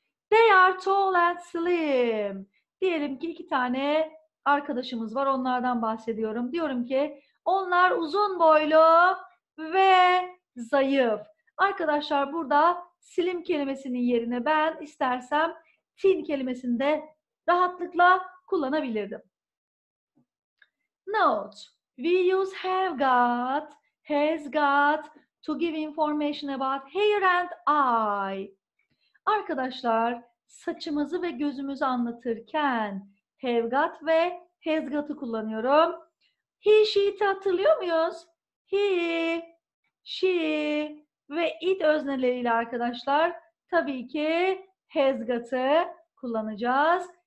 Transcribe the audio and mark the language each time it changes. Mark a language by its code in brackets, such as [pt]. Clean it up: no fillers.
[en] They are tall and slim. [tr] Diyelim ki iki tane arkadaşımız var. Onlardan bahsediyorum. Diyorum ki onlar uzun boylu ve zayıf. Arkadaşlar burada slim kelimesinin yerine ben istersem thin kelimesini de rahatlıkla kullanabilirdim. [en] Note, we use have got, has got to give information about hair and eye. [tr] Arkadaşlar, saçımızı ve gözümüzü anlatırken have got ve has got'ı kullanıyorum. He, she'i hatırlıyor muyuz? He, she ve it özneleriyle arkadaşlar tabii ki has got'ı kullanacağız.